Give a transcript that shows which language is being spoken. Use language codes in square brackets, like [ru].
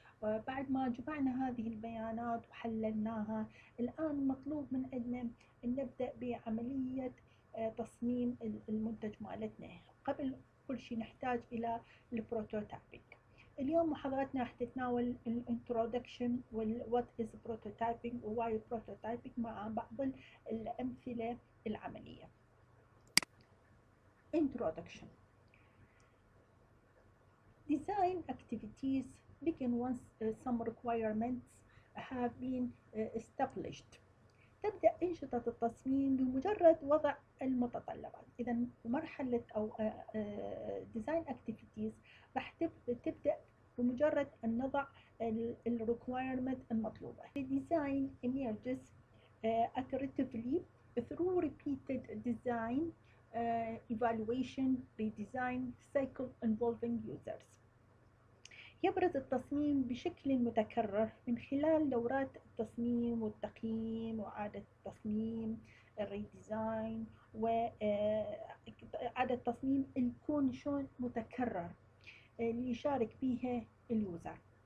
[ar] وبعد ما جمعنا هذه البيانات وحللناها، الآن مطلوب من عندنا أن نبدأ بعملية تصميم المنتج مالتنا. قبل كل شيء نحتاج إلى البروتوتايبينج. اليوم محاضرتنا راح تتناول الانترودكشن والوات از بروتوتايبينج وواي بروتوتايبينج مع بعض الأمثلة العملية. [en] Introduction: design activities begin once some requirements have been established. [ar] تبدأ أنشطة التصميم بمجرد وضع المتطلبات. إذا مرحلة أو [en] design activities [ar] راح تبدأ بمجرد أن نضع ال requirement المطلوبة. [en] The design emerges iteratively through repeated design evaluation redesign cycle involving users. [ar] يبرز التصميم بشكل متكرر من خلال دورات التصميم والتقييم وإعادة التصميم الريديزاين وإعادة التصميم يكون شلون متكرر اللي يشارك بيها اليوزر.